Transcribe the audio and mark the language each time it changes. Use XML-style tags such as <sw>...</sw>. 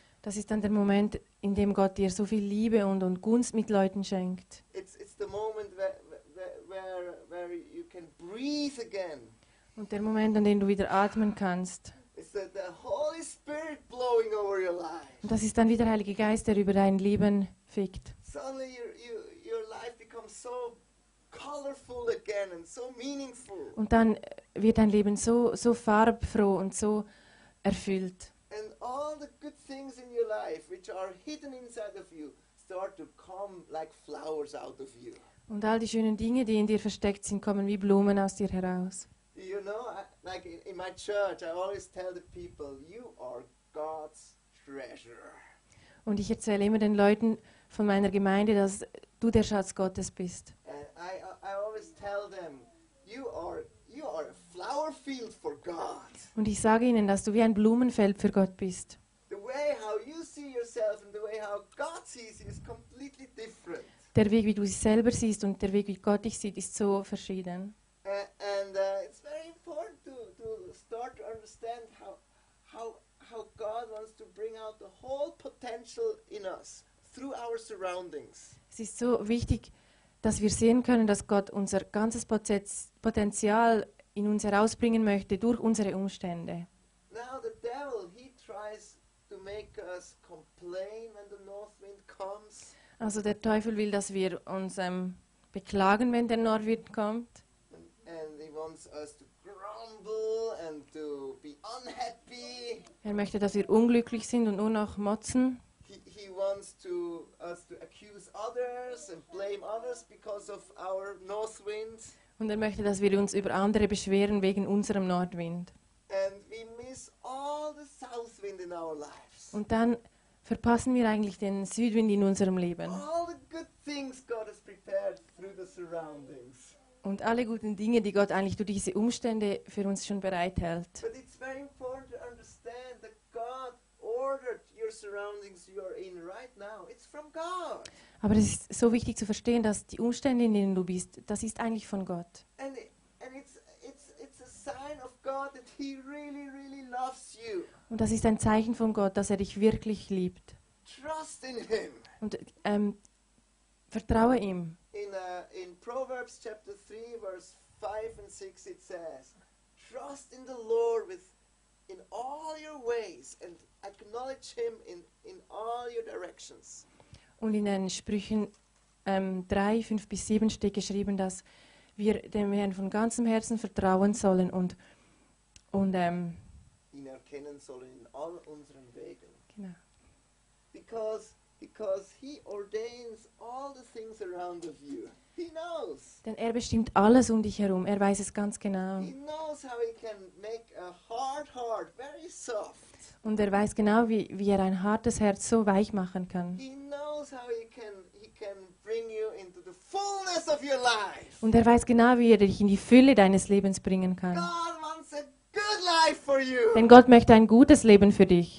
<de>Das ist dann der Moment, in dem Gott dir so viel Liebe und Gunst mit Leuten schenkt.</de> <en>It's the moment where you can breathe again.</en> <de>Und der Moment, an dem du wieder atmen kannst.</de> <en>It's the Holy Spirit blowing over your life.</en> <de>Und das ist dann wieder der Heilige Geist, der über dein Leben fegt.</de> <en>Suddenly your life becomes so colorful again and so meaningful.</en> <de>Und dann wird dein Leben so farbfroh und so erfüllt.</de> <en>And all the good things in your life which are hidden inside of you start to come like flowers out of you.</en> <de>Und all die schönen Dinge, die in dir versteckt sind, kommen wie Blumen aus dir heraus.</de> <en>You know, in my church I always tell the people, you are God's treasure.</en> <de>Und ich erzähle immer den Leuten von meiner Gemeinde, dass du der Schatz Gottes bist.</de> <en>I always tell them, you are a flower field for God.</en> <de>Und ich sage ihnen, dass du wie ein Blumenfeld für Gott bist.</de> <en>The way how you see yourself and the way how God sees you is completely different.</en> <de>Der Weg, wie du dich selber siehst und der Weg, wie Gott dich sieht, ist so verschieden.</de> <en>It's very important to start to understand how God wants to bring out the whole potential in us through our surroundings.</en> <de>Es ist so wichtig, dass wir sehen können, dass Gott unser ganzes Potenzial in uns herausbringen möchte durch unsere Umstände.</de> <en>Now the devil, he tries to make us complain when the north wind comes.</en> <de>Also der Teufel will, dass wir uns beklagen, wenn der Nordwind kommt.</de> <en>And he wants us to grumble and to be unhappy.</en> <de>Er möchte, dass wir unglücklich sind und nur noch motzen.</de> <en>He wants us to accuse others and blame others because of our north wind.</en> <de>Und er möchte, dass wir uns über andere beschweren wegen unserem Nordwind.</de> <en>And we miss all the south wind in our lives.</en> <de>Und dann verpassen wir eigentlich den Südwind in unserem Leben.</de> <en>All the good things God has prepared through the surroundings.</en> <de>Und alle guten Dinge, die Gott eigentlich durch diese Umstände für uns schon bereithält.</de> <en>But it's very important to understand that God ordered your surroundings you are in right now. It's from God.</en> <de>Aber es ist so wichtig zu verstehen, dass die Umstände, in denen du bist, das ist eigentlich von Gott.</de> <en>And it's a sign of God that he really, really loves you.</en> <de>Und das ist ein Zeichen von Gott, dass er dich wirklich liebt.</de> <en>Trust in him.</en> <de>Und vertraue ihm.</de> <en>In Proverbs chapter 3, verse 5 and 6, it says, trust in the Lord in all your ways and acknowledge him in all your directions.</en> <de>Und in den Sprüchen 3, 5 bis 7 steht geschrieben, dass wir dem Herrn von ganzem Herzen vertrauen sollen und ihn erkennen sollen in all unseren Wegen. Genau.</de> <en>Because he ordains all the things around of you. He knows.</en> <de>Denn er bestimmt alles um dich herum. Er weiß es ganz genau.</de> <en>He knows how he can make a hard heart very soft.</en> <de>Und er weiß genau, wie er ein hartes Herz so weich machen kann.</de> <en>He knows how he can bring you into the fullness of your life.</en> <de>Und er weiß genau, wie er dich in die Fülle deines Lebens bringen kann.</de> <en>God wants a good life for you.</en> <de>Denn Gott möchte ein gutes Leben für dich.</de>